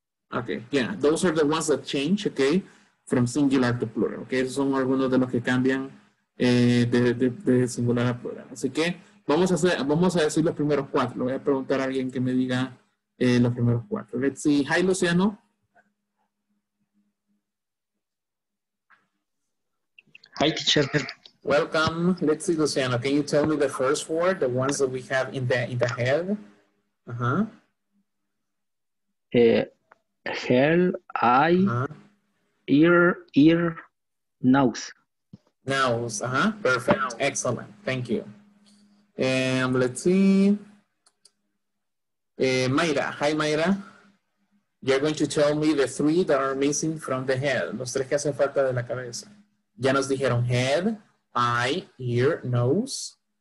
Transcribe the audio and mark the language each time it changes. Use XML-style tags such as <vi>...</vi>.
<en>Okay, yeah, those are the ones that change, okay, from singular to plural, okay?</en> <es>Esos son algunos de los que cambian de singular a plural. Así que vamos a decir los primeros cuatro. Lo voy a preguntar a alguien que me diga los primeros cuatro.</es> <en>Let's see. Hi, Luciano. Hi, teacher. Welcome. Let's see, Luciano. Can you tell me the first four, the ones that we have in the head? Uh-huh. Hair, eye, uh-huh. ear, nose. Nose, uh-huh. Perfect. Nose. Excellent. Thank you. And let's see. Mayra. Hi, Mayra. You're going to tell me the three that are missing from the head.</en> <es>Los tres que hacen falta de la cabeza. Ya nos dijeron head, eye, ear, nose.</es>